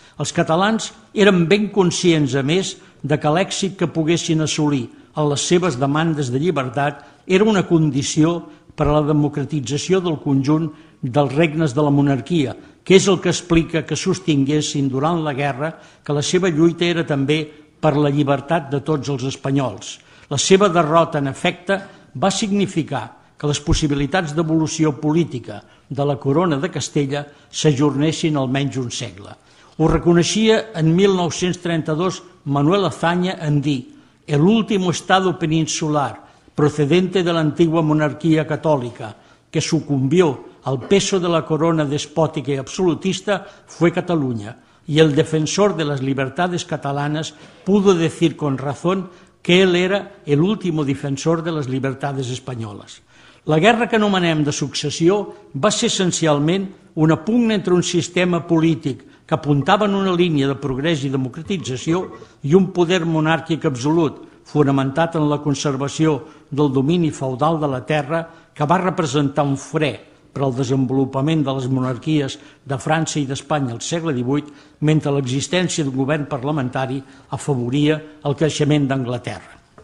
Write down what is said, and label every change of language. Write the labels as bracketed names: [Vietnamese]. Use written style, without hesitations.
[Catalan] Els catalans eren ben conscients, a més, de que l'èxit que poguessin assolir en les seves demandes de llibertat era una condició per a la democratització del conjunt dels regnes de la monarquia, que és el que explica que sostinguessin durant la guerra que la seva lluita era també per la llibertat de tots els espanyols. La seva derrota, en efecte, va significar que les possibilitats d'evolució política de la corona de Castella s'ajornessin almenys un segle. Ho reconeixia en 1932 Manuel Azaña en dir [Spanish] «El último estado peninsular procedente de la antigua monarquía católica que sucumbió al peso de la corona despótica y absolutista fue Cataluña, y el defensor de las libertades catalanas pudo decir con razón que él era el último defensor de las libertades españolas». [Catalan] La guerra que anomenem de successió va ser essencialment una pugna entre un sistema polític que apuntava en una línia de progrés i democratització i un poder monàrquic absolut, fonamentat en la conservació del domini feudal de la terra, que va representar un fre per al desenvolupament de les monarquies de França i d'Espanya al segle XVIII, mentre l'existència d'un govern parlamentari afavoria el creixement d'Anglaterra.